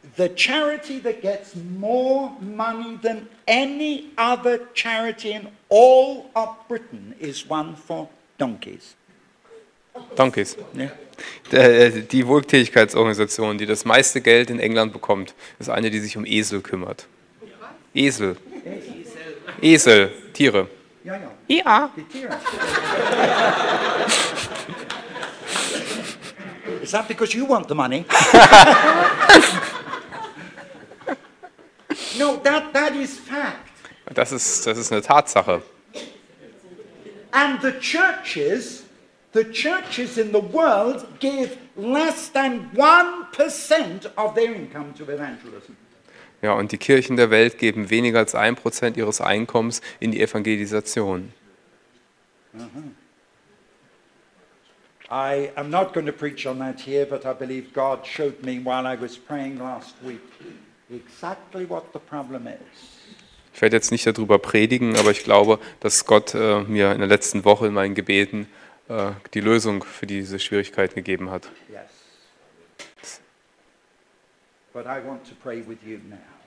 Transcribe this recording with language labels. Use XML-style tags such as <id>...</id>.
<en>The charity that gets more money than any other charity in all of Britain is one for donkeys. Donkeys.</en> <de>Ja. Die Wohltätigkeitsorganisation, die das meiste Geld in England bekommt, ist eine, die sich um Esel kümmert. Esel. Esel. Tiere. Ja, ja. Ja.</de> <en>Is that because you want the money? No, that is fact.</en> <de>Das ist eine Tatsache.</de> <en>And the churches in the world give less than 1% of their income to evangelism.</en> <de>Ja, und die Kirchen der Welt geben weniger als 1% ihres Einkommens in die Evangelisation. Uh-huh.</de> <en>I am not going to preach on that here, but I believe God showed me while I was praying last week exactly what the problem is.</en> <de>Ich werde jetzt nicht darüber predigen, aber ich glaube, dass Gott mir in der letzten Woche in meinen Gebeten die Lösung für diese Schwierigkeiten gegeben hat.</de> <en>Yes. But I want to pray with you now.</en>